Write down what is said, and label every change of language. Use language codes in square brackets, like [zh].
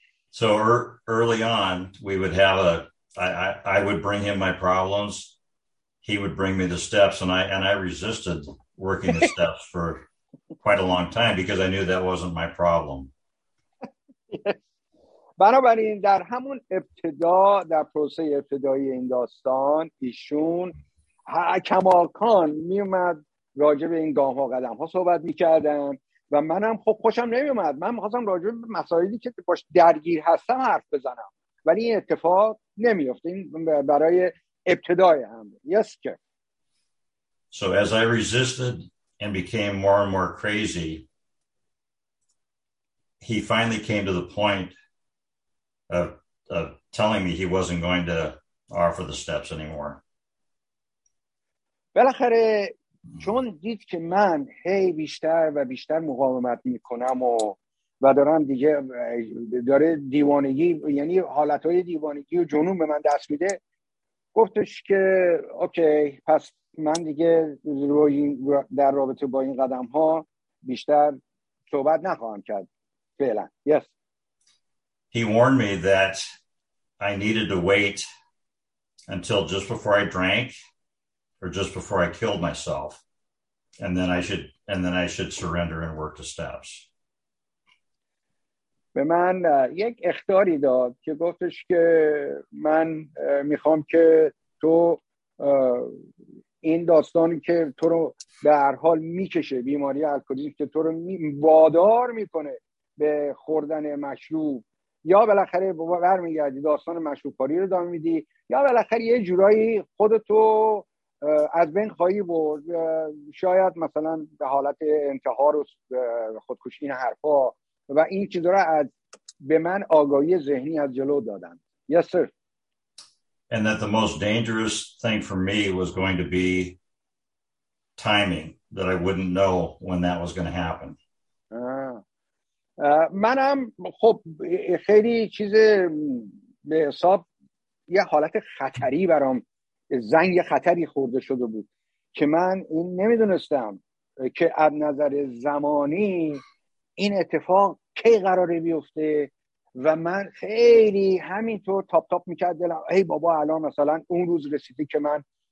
[en] So early on, we would have I would bring him my problems. He would bring me the steps, and I resisted working the steps for quite a long time because I knew that wasn't my problem. [fa] بنابراین در همون ابتدا در پروسه ابتدایی این داستان ایشون کماکان میومد راجع به این گام ها قدم ها صحبت میکردم و منم خب خوشم نمیومد. من میخواستم راجع به مسائلی که باش درگیر هستم حرف بزنم، ولی این اتفاق نمیفته. این برای ابتدای همه. [en] Yes, sir. So as I resisted and became more and more crazy, he finally came to the point of telling me he wasn't going to offer the steps anymore. [fa] بالاخره چون دید که من هی بیشتر و بیشتر مقاومت میکنم و دارم دیگه داره دیوانگی، یعنی حالتهای دیوانگی و جنون به من دست میده، گفتش که اوکی، پس من دیگه در رابطه با این قدم ها بیشتر صحبت نخواهم کرد فعلا. [en] Yes. He warned me that I needed to wait until just before I drank or just before I killed myself, and then I should surrender and work the steps. [fa] به من یک اخطاری داد که گفتش که من میخوام که تو این داستانی که تو رو به هر حال میکشه، بیماری الکلیزم که تو رو وادار میکنه به خوردن مشروب، یا بالاخره برمیگردی داستان مشروب کاری رو دام میدی، یا بالاخره یه جورایی خودتو از بین خواهی برد، شاید مثلا به حالت انتحار و خودکشی، این حرفا و این چیزا رو از به من آگاهی ذهنی از جلو دادن. [en] Yes sir. And that the most dangerous thing for me was going to be timing, that I wouldn't know when that was going to happen. [fa] منم خب خیلی چیز به حساب یه حالت خطری برام، زنگ خطری خورده شده بود که من این نمیدونستم که از نظر زمانی این اتفاق کی قراره بیفته، و من خیلی همینطور تاپ تاپ میکرد دلم، ای بابا الان مثلا اون روز رسیده که من